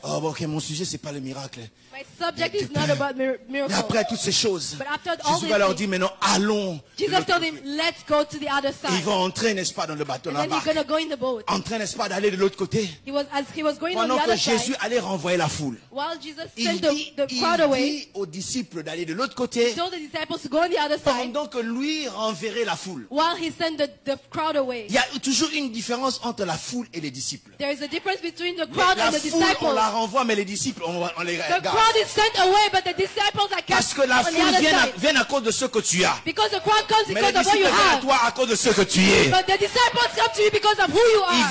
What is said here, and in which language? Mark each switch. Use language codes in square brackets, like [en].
[fr] Oh, ok, mon sujet, ce n'est pas le miracle. [en] My subject is not about miracles. [fr] Mais après toutes ces choses, Jésus va leur dire maintenant, allons. [en] Jesus told him, let's go to the other side. [fr] Ils vont entrer, n'est-ce pas, dans le bateau, [en] and then he's gonna go in the boat. [fr] Entrer, n'est-ce pas, d'aller de l'autre côté. Pendant que Jésus allait renvoyer la foule, [en] while Jesus sent the crowd away, [fr] aux disciples d'aller de l'autre côté, [en] he told the disciples to go on the other side. [fr] Pendant que lui renverrait la foule, [en] while he sent the crowd away. [fr] Il y a toujours une différence entre la foule et les disciples. [en] There is a difference between the crowd and the disciples. [fr] La foule, on la renvoie, mais les disciples, on les garde. [en] The crowd is sent away, but the disciples are kept. [fr] Parce que la foule vient à cause de ce que tu as. [en] Because the crowd comes because of what you have. [fr] Mais toi à cause de ce que tu es. [en] But the disciples come to you because of who you are.